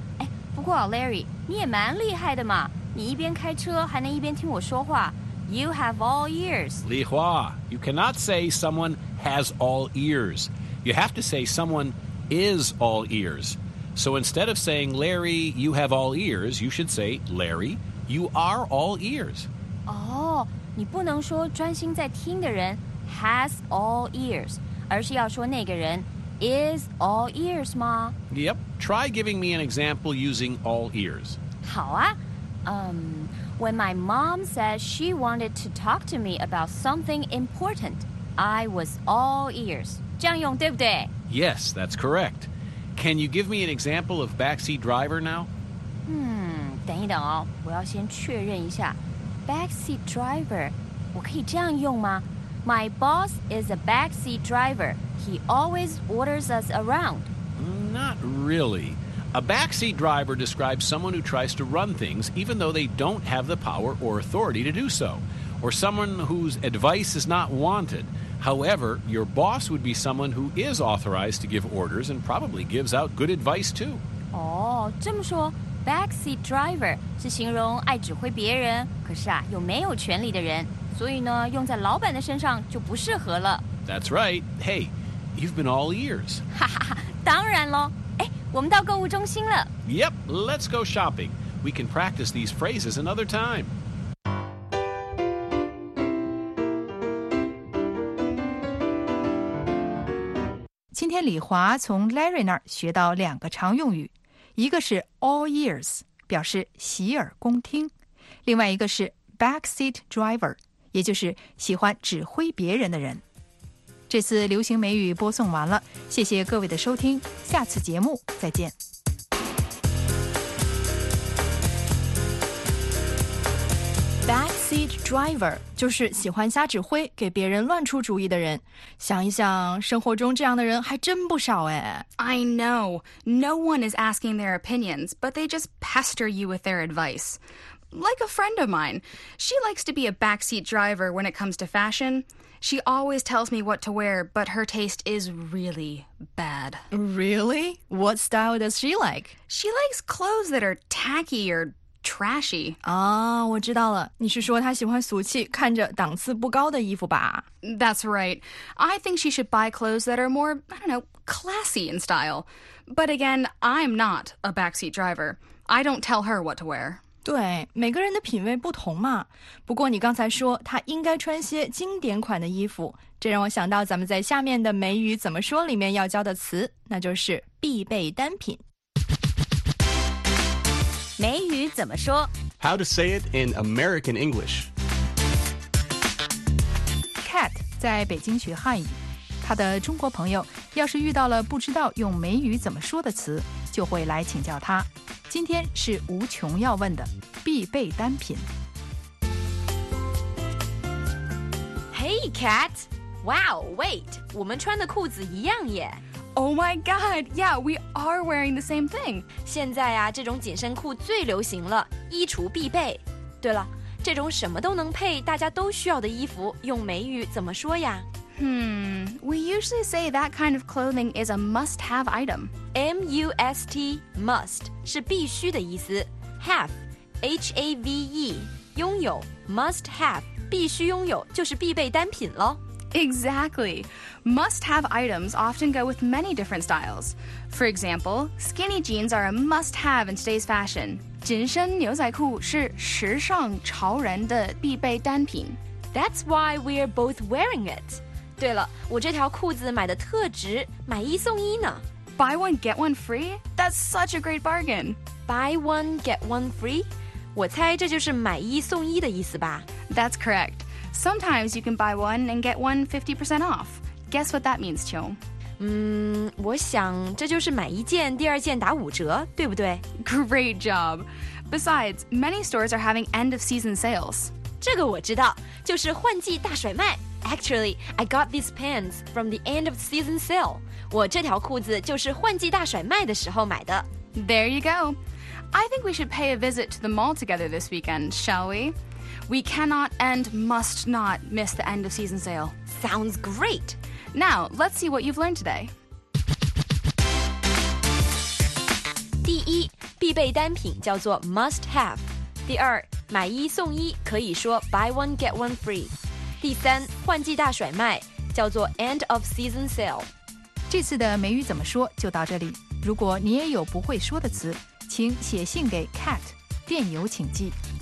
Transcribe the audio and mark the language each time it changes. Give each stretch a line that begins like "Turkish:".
Chinese: 哎，不过 Larry, 你也蛮厉害的嘛。你一边开车还能一边听我说话。
English: You have all ears. Li Hua, you cannot say someone has all ears. You have to say someone is all ears. So instead of saying, Larry, you have all ears, you should say, Larry, you are all ears.
Chinese: 你不能说专心在听的人
English: has all ears,
Chinese: 而是要说那个人
English: is all ears
Chinese: 吗?
English: Yep, try giving me an example using all ears.
Chinese: 好啊。
English: When my mom said she wanted to talk to me about something important, I was all ears.
Chinese: 这样用对不对?
English: Yes, that's correct. Can you give me an example of backseat driver now?
Chinese: 等一等哦，我要先确认一下。Backseat driver, 我可以这样用吗?
English: My boss is a backseat driver. He always orders us around. Not really. A backseat driver describes someone who tries to run things even though they don't have the power or authority to do so. Or someone whose advice is not wanted. However, your boss would be someone who is authorized to give orders and probably gives out good advice too.
Chinese: 哦，这么说。 Backseat driver 是形容爱指挥别人，可是啊又没有权力的人，所以呢用在老板的身上就不适合了。
English: That's right. Hey, you've been all ears.
Chinese: 哈哈，当然咯。哎，我们到购物中心了。
English: Yep, let's go shopping. We can practice these phrases another time. Today,
Chinese: Li Hua 从 Larry 那儿学到两个常用语。一个是 all ears, 表示洗耳恭听。另外一个是 backseat driver, 也就是喜欢指挥别人的人。这次流行美语播送完了，谢谢各位的收听，下次节目再见。 Backseat driver 就是喜欢瞎指挥给别人乱出主意的人。想一想，生活中这样的人还真不少哎。
English: I know. No one is asking their opinions, but they just pester you with their advice. Like a friend of mine. She likes to be a backseat driver when it comes to fashion. She always tells me what to wear, but her taste is really bad. Really? What style does she like? She likes clothes that are tacky or... trashy.
Chinese: 哦，我知道了。你是说她喜欢俗气、看着档次不高的衣服吧？
English: That's right. I think she should buy clothes that are more, I don't know, classy in style. But again, I'm not a backseat driver. I don't tell her what to wear.
Chinese: 对，每个人的品味不同嘛。不过你刚才说她应该穿些经典款的衣服，这让我想到咱们在下面的美语怎么说里面要教的词，那就是必备单品。美语怎么说?
English: How to say it in American English.
Chinese: Cat 在北京学汉语，他的中国朋友要是遇到了不知道用美语怎么说的词，就会来请教他。今天是无穷要问的必备单品。
English: Hey, Cat! Wow, wait!
Chinese: 我们穿的裤子一样耶。
English: Oh my god, yeah, we are wearing the same thing.
Chinese: 现在啊，这种紧身裤最流行了，衣橱必备。对了，这种什么都能配，大家都需要的衣服，用美语怎么说呀？
English: We usually say that kind of clothing is a must-have item.
Chinese: M-U-S-T, must, 是必须的意思。 Have, H-A-V-E, 拥有 must-have, 必须拥有就是必备单品咯。
English: Exactly. Must-have items often go with many different styles. For example, skinny jeans are a must-have in today's fashion.
Chinese: 紧身牛仔裤是时尚潮人的必备单品。
English: That's why we're both wearing it.
Chinese: 对了，我这条裤子买的特值，买一送一呢。
English: Buy one, get one free? That's such a great bargain. Buy one, get one free?
Chinese: 我猜这就是买一送一的意思吧。
English: That's correct.Sometimes you can buy one and get one 50% off. Guess what that means, Chiu?
Chinese: 我想这就是买一件第二件打五折，对不对？
English: Great job. Besides, many stores are having end of season sales.
Chinese: 这个我知道，就是换季大甩卖。
English: Actually, I got these pants from the end of season sale.
Chinese: 我这条裤子就是换季大甩卖的时候买的。
English: There you go. I think we should pay a visit to the mall together this weekend, shall we? We cannot and must not miss the end of season sale. Sounds great. Now, let's see what you've learned today.
Chinese: 第一，必备单品叫做 must have. 第二，买一送一可以说
English: buy one, get one free.
Chinese: 第三，换季大甩卖叫做
English: end of season sale。
Chinese: 这次的美语怎么说就到这里，如果你也有不会说的词，请写信给 Cat 电邮请寄